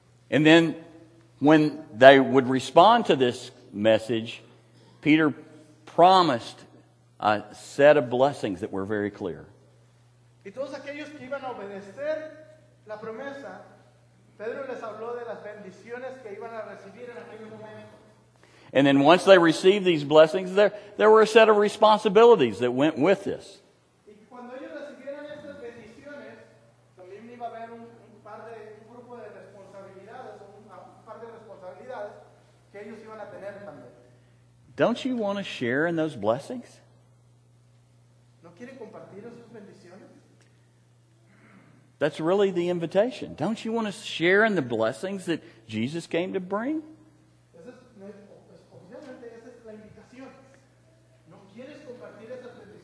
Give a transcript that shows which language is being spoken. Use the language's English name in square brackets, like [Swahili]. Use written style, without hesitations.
[English] And then when they would respond to this message, Peter promised a set of blessings that were very clear. [Spanish] Y todos aquellos que iban a obedecer la promesa, Pedro les habló de las bendiciones que iban a recibir en aquel momento. [English] And then once they received these blessings, there were a set of responsibilities that went with this. [Spanish] Y cuando ellos recibieran estas bendiciones, también iba a haber un grupo de responsabilidades, un par de responsabilidades que ellos iban a tener también. [English] Don't you want to share in those blessings? [Spanish] ¿No quieren compartir esas bendiciones? [English] That's really the invitation. Don't you want to share in the blessings that Jesus came to bring? [Spanish] Esa es la invitación. ¿No quieres compartir esas